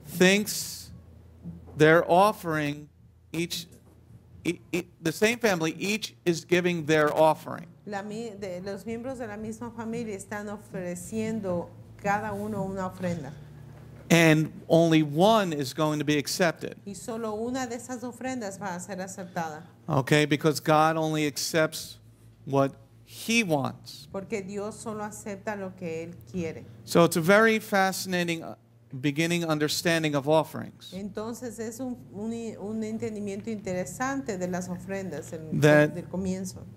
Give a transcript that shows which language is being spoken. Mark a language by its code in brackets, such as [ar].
[en] thinks they're offering each, the same family, each is giving their offering. [es] Los miembros de la misma familia están ofreciendo cada uno una ofrenda. [en] And only one is going to be accepted. [es] Y solo una de esas ofrendas va a ser aceptada. [en] Okay, because God only accepts what He wants. [es] Porque Dios solo acepta lo que Él quiere. [en] So it's a very fascinating beginning understanding of offerings. [es] Entonces es un entendimiento interesante de las ofrendas del comienzo.